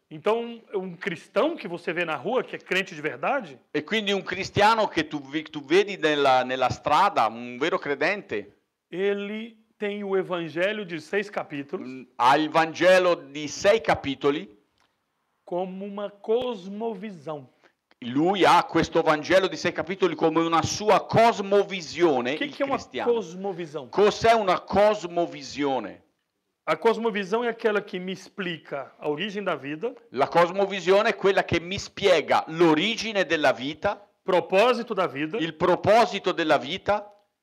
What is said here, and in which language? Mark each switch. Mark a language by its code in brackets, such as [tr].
[pt] Então, un cristão que você vê na rua, que é crente de verdade? [it] E quindi un cristiano che tu vedi nella strada, un vero credente? [pt] Ele tem o evangelho de 6 capítulos. [it] Ha il Vangelo di 6 capitoli. [pt] Como uma cosmovisão. [it] Lui ha questo Vangelo di 6 capitoli come una sua cosmovisione. Che è una cristiano. [pt] Cosmovisão? [it] Cos'è una cosmovisione? [pt] A cosmovisão é aquela que me explica a origem da vida. [it] La cosmovisione è quella che mi spiega l'origine della vita. [pt] Proposito da vida. [it] Il proposito della vita.